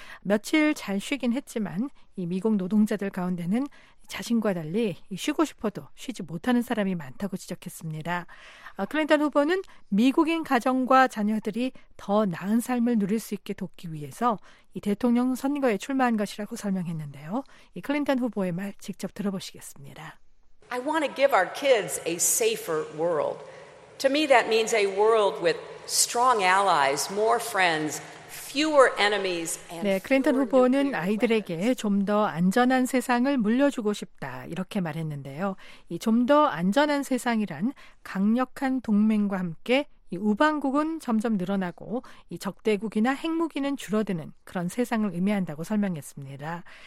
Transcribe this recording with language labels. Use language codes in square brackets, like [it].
[ko] 며칠 잘 쉬긴 했지만 이 미국 노동자들 가운데는 자신과 달리 쉬고 싶어도 쉬지 못하는 사람이 많다고 지적했습니다. 클린턴 후보는 미국인 가정과 자녀들이 더 나은 삶을 누릴 수 있게 돕기 위해서 이 대통령 선거에 출마한 것이라고 설명했는데요. 이 클린턴 후보의 말 직접 들어보시겠습니다. [en] I want to give our kids a safer world. To me that means a world with strong allies, more friends. [ko] 네, 클린턴 후보는 아이들에게 좀 더 안전한 세상을 물려주고 싶다 이렇게 말했는데요. 이 좀 더 안전한 세상이란 강력한 동맹과 함께 이 우방국은 점점 늘어나고 이 적대국이나 핵무기는 줄어드는 그런 세상을 의미한다고 설명했습니다.